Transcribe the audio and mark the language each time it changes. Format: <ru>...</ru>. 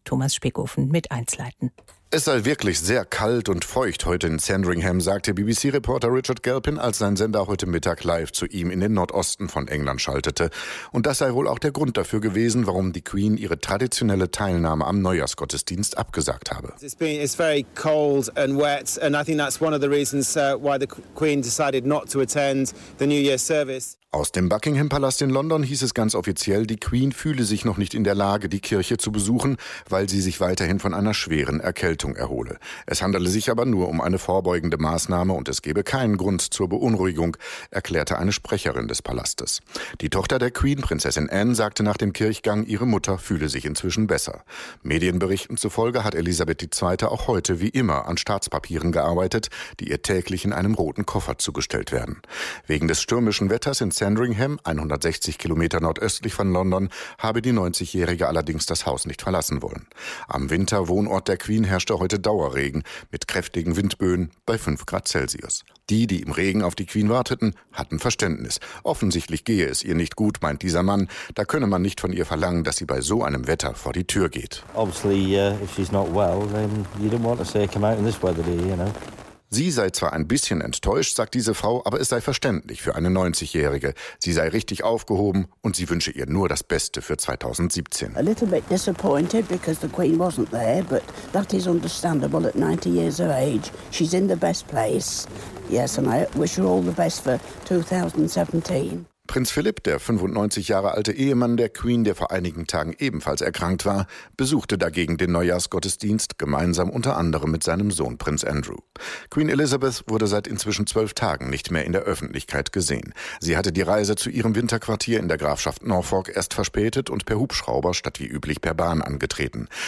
<de>Thomas Spickhofen mit Einzelheiten. Es sei wirklich sehr kalt und feucht heute in Sandringham, sagte BBC-Reporter Richard Galpin, als sein Sender heute Mittag live zu ihm in den Nordosten von England schaltete. Und das sei wohl auch der Grund dafür gewesen, warum die Queen ihre traditionelle Teilnahme am Neujahrsgottesdienst abgesagt habe.</de> <en>It's very cold and wet, and I think that's one of the reasons why the Queen decided not to attend the New Year's service.</en> <de>Aus dem Buckingham-Palast in London hieß es ganz offiziell, die Queen fühle sich noch nicht in der Lage, die Kirche zu besuchen, weil sie sich weiterhin von einer schweren Erkältung erhole. Es handele sich aber nur um eine vorbeugende Maßnahme und es gebe keinen Grund zur Beunruhigung, erklärte eine Sprecherin des Palastes. Die Tochter der Queen, Prinzessin Anne, sagte nach dem Kirchgang, ihre Mutter fühle sich inzwischen besser. Medienberichten zufolge hat Elisabeth II. Auch heute wie immer an Staatspapieren gearbeitet, die ihr täglich in einem roten Koffer zugestellt werden. Wegen des stürmischen Wetters in Sandringham, 160 Kilometer nordöstlich von London, habe die 90-Jährige allerdings das Haus nicht verlassen wollen. Am Winterwohnort der Queen herrschte heute Dauerregen mit kräftigen Windböen bei 5 Grad Celsius. Die, die im Regen auf die Queen warteten, hatten Verständnis. Offensichtlich gehe es ihr nicht gut, meint dieser Mann. Da könne man nicht von ihr verlangen, dass sie bei so einem Wetter vor die Tür geht.</de> <en>Obviously, if she's not well, then you don't want to say come out in this weather, do you, you know?</en> <de>Sie sei zwar ein bisschen enttäuscht, sagt diese Frau, aber es sei verständlich für eine 90-Jährige. Sie sei richtig aufgehoben und sie wünsche ihr nur das Beste für 2017.</de> <en>A little bit disappointed because the Queen wasn't there, but that is understandable at 90 years of age. She's in the best place. Yes, and I wish her all the best for 2017.</en> <de>Prinz Philipp, der 95 Jahre alte Ehemann der Queen, der vor einigen Tagen ebenfalls erkrankt war, besuchte dagegen den Neujahrsgottesdienst gemeinsam unter anderem mit seinem Sohn Prinz Andrew. Queen Elizabeth wurde seit inzwischen 12 Tagen nicht mehr in der Öffentlichkeit gesehen. Sie hatte die Reise zu ihrem Winterquartier in der Grafschaft Norfolk erst verspätet und per Hubschrauber statt wie üblich per Bahn angetreten.</de>